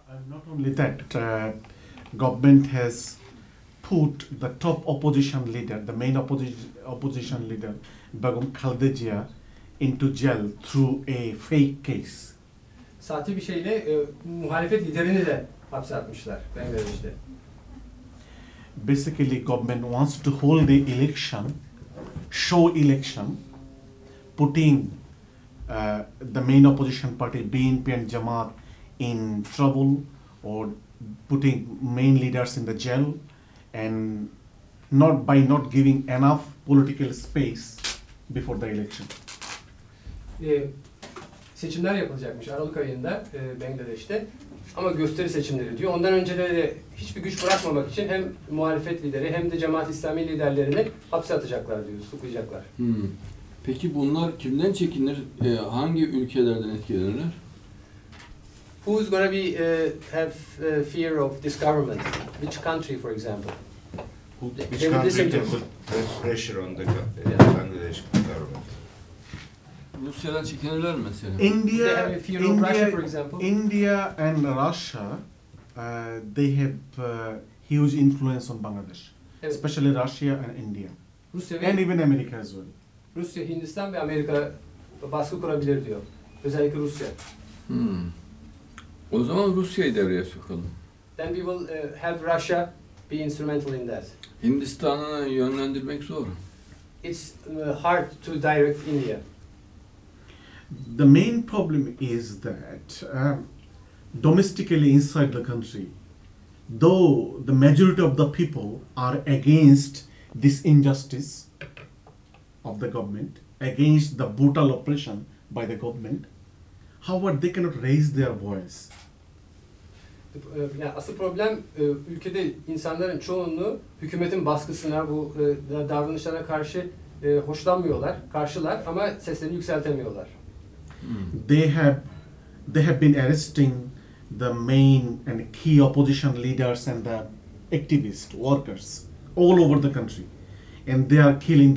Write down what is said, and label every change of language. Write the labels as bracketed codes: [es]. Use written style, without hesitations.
[en] Not only that, government has put the top opposition leader, the main opposition leader, Begum Khaldejia, into jail through a fake case. [tr] Sahte bir şeyle muhalefet liderini de hapse atmışlar Bangladeş'te. [en] Basically, government wants to hold the election, show election, putting the main opposition party, BNP and Jamaat, in trouble or putting main leaders in the jail and not by not giving enough political space before the election. [tr] Seçimler yapılacakmış Aralık ayında Bangladeş'te ama gösteri seçimleri diyor. Ondan önce de hiçbir güç bırakmamak için hem muhalefet lideri hem de Cemaat-i İslami liderlerini hapse atacaklar diyor, sıkacaklar. Peki bunlar kimden çekinir? Hangi ülkelerden etkilenirler? [en] Who's going to be have fear of this government? Which country, for example? Which country can put pressure on the Bangladesh government? [tr] Russia'dan çekinirler mesela. [en] India, fear of India, Russia, for example. India and Russia, they have huge influence on Bangladesh, [tr] evet. [en] Especially Russia and India, and even America as well. [tr] Rusya, Hindistan ve Amerika baskı kurabilir diyor, özellikle Rusya. O zaman Rusya'yı devreye sokalım. [en] Then we will have Russia be instrumental in that. [tr] Hindistan'ı yönlendirmek zor. [en] It's hard to direct India. The main problem is that domestically inside the country, though the majority of the people are against this injustice of the government, against the brutal oppression by the government, however, they cannot raise their voice. [tr] Yani asıl problem ülkede insanların çoğunluğu hükümetin baskısına, bu davranışlara karşı hoşlanmıyorlar, karşılar ama seslerini yükseltemiyorlar. [en] They have been arresting the main and key opposition leaders and the activists, workers all over the country, and they are killing.